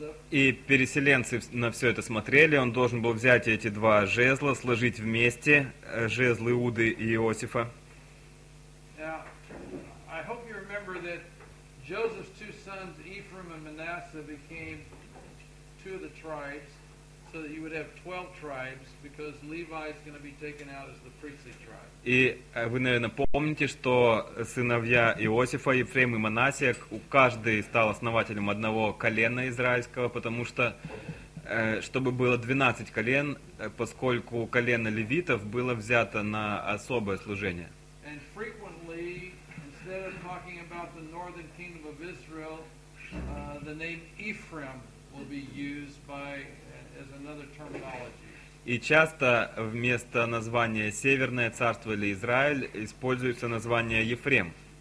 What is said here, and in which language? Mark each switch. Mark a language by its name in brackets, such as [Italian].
[Russian] И переселенцы на все это смотрели. Он должен был взять эти два жезла, сложить вместе жезлы Иуды и Иосифа. [English] Now, I hope you remember that Joseph's two sons, Ephraim and Manasseh, became two of the tribes, so that you would have 12 tribes, because Levi is going to be taken out as the priestly tribe. [Russian] И вы, наверное, помните, что сыновья Иосифа, Ефрем и Манасия, каждый стал основателем одного колена израильского, потому что, чтобы было 12 колен, поскольку колено левитов было взято на особое служение. [English] And frequently, instead of talking about the northern kingdom of Israel, the name Ephraim will be used by, as another terminology. [Russian] И часто вместо названия «Северное царство» или «Израиль» используется название «Ефрем».